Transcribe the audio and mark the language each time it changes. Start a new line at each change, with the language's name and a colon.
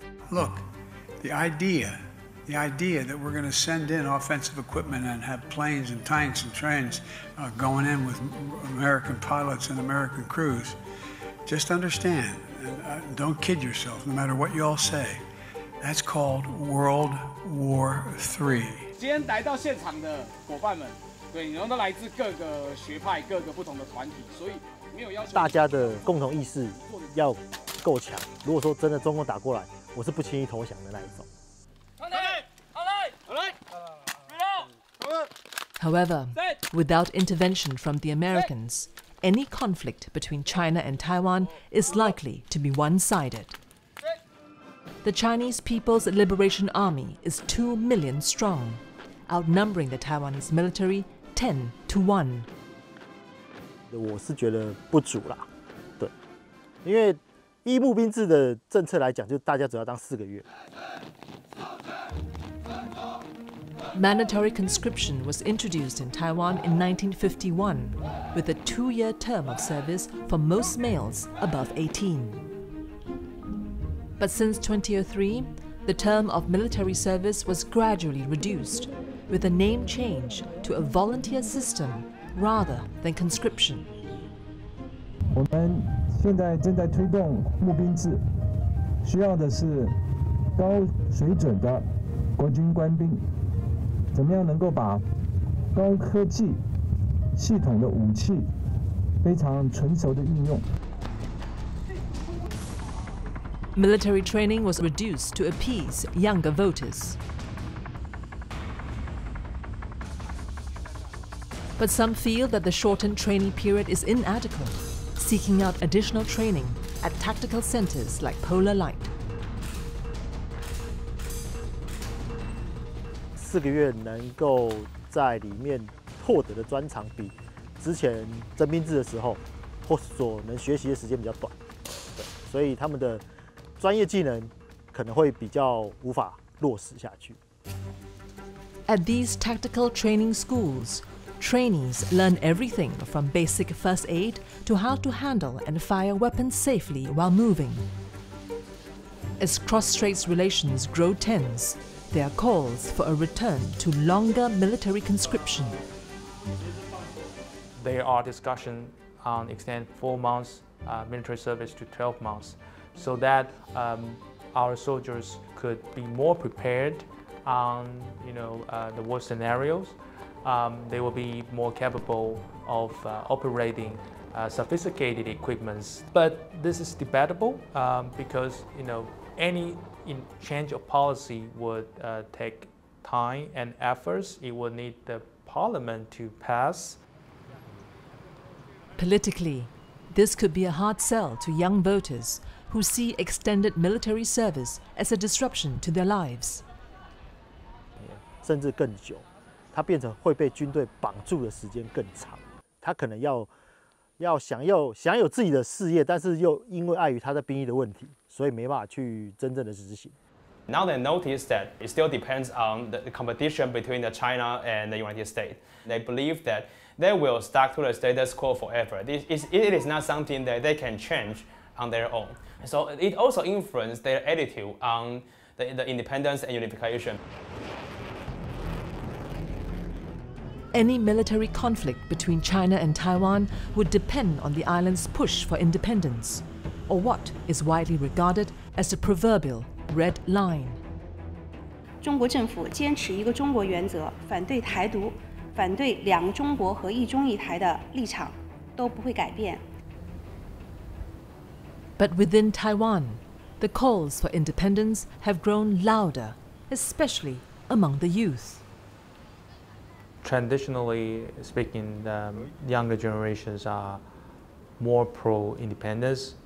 English: Look, the idea that we're going to send in offensive equipment and have planes and tanks and trains going in with American pilots and American crews, just understand, don't kid yourself, no matter what you all say, that's called World War III.
Chinese: 今天来到现场的伙伴们，对，你们都来自各个学派、各个不同的团体，所以没有要求大家的共同意识要够强。如果说真的中共打过来，我是不轻易投降的那一种。
English: However, without intervention from the Americans, any conflict between China and Taiwan is likely to be one-sided. The Chinese People's Liberation Army is 2 million strong, outnumbering the Taiwanese military 10-1.
Chinese: 我是觉得不足啦，对，因为依募兵制的政策来讲，就大家只要当四个月。
English: Mandatory conscription was introduced in Taiwan in 1951, with a 2-year term of service for most males above 18. But since 2003, the term of military service was gradually reduced, with a name change to a volunteer system rather than conscription. We are now pushing for the reform of the military. We need high-quality military soldiers.
Chinese: 怎么样能够把高科技系统的武器非常纯熟的运用
English: ？Military training was reduced to appease younger voters. But some feel that the shortened training period is inadequate, seeking out additional training at tactical centers like Polar Light.
Chinese: 四个月能够在里面获得的专长比之前征兵制的时候或所能学习的时间比较短，对，所以他们的专业技能可能会比较无法落实下去。
English: At these tactical training schools, trainees learn everything from basic first aid to how to handle and fire weapons safely while moving. As cross-straits relations grow tense,There are calls for a return to longer military conscription. There are discussions on extend 4 months military service to 12 months so that our soldiers could be more prepared on the war scenarios. They will be more capable of operating sophisticated equipment. But this is debatable because any change of policy would take time and efforts. It would need the parliament to pass. geopolitically, this could be a hard sell to young voters who see extended military service as a disruption to their lives.
Chinese: 甚至更久，他变成会被军队绑住的时间更长。他可能要想有自己的事业，但是又因为碍于他的兵役的问题，所以没办法去真正的执行。
English: Now they notice that it still depends on the competition between the China and the United States. They believe that they will stuck to the status quo forever. It is not something that they can change on their own. So it also influenced their attitude on the independence and unification. Any military conflict between China and Taiwan would depend on the island's push for independence, or what is widely regarded as the proverbial red line.
Chinese: 中国政府坚持一个中国原则，反对台独，反对两中国和一中一台的立场都不会改变。
English: But within Taiwan, the calls for independence have grown louder, especially among the youth. Traditionally speaking, younger generations are more pro-independence.